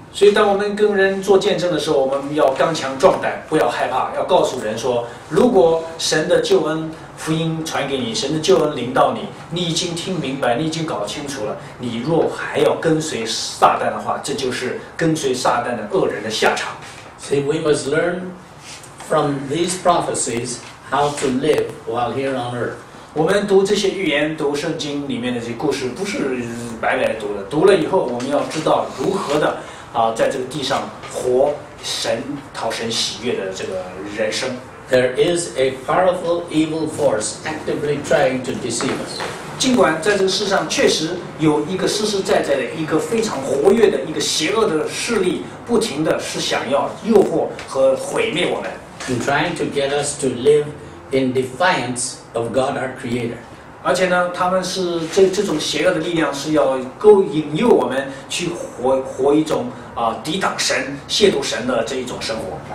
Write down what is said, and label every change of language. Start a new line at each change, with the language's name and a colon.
Chinese: 所以当我们跟人做见证的时候，我们要刚强壮胆，不要害怕，要告诉人说，如果神的救恩福音传给你，神的救恩临到你，你已经听明白，你已经搞清楚了，你若还要跟随撒旦的话，这就是跟随撒旦的恶人的下场。
English: See, we must learn from these prophecies how to live while here on earth.
Chinese: 我们读这些预言，读圣经里面的这些故事，不是白白读的。读了以后，我们要知道如何的在这个地上活神讨神喜悦的这个人生。
English: There is a powerful evil force actively trying to deceive us.
Chinese: 尽管在这个世上确实有一个实实在在的一个非常活跃的一个邪恶的势力，不停的是想要诱惑和毁灭我们。
English: And trying to get us to live in defianceOf God, our Creator.
Chinese: 而且呢，他们是这种邪恶的力量是要勾引诱我们去活一种抵挡神、亵渎神的这一种生活。